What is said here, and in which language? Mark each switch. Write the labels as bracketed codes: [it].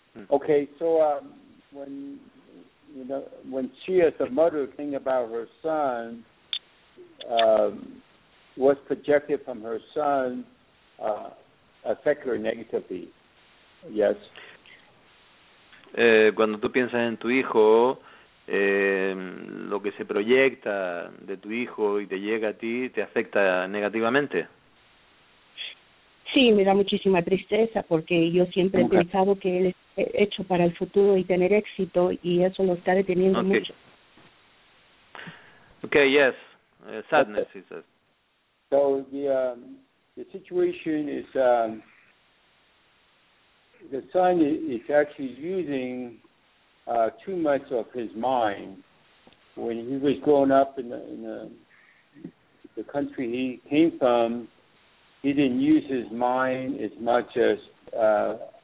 [en] Okay, so when she as a mother think about her son, what's projected from her son affect her negatively? Yes. [es] Cuando tú piensas en tu hijo, lo que se proyecta de tu hijo y te llega a ti te afecta negativamente. Sí, me da muchísima tristeza porque yo siempre he pensado que él es hecho para el futuro y tener éxito, y eso lo está deteniendo mucho. [en] Okay, yes. Sadness, okay. He says. So the situation is the son is actually using too much of his mind. When he was growing up in the country he came from, he didn't use his mind as much as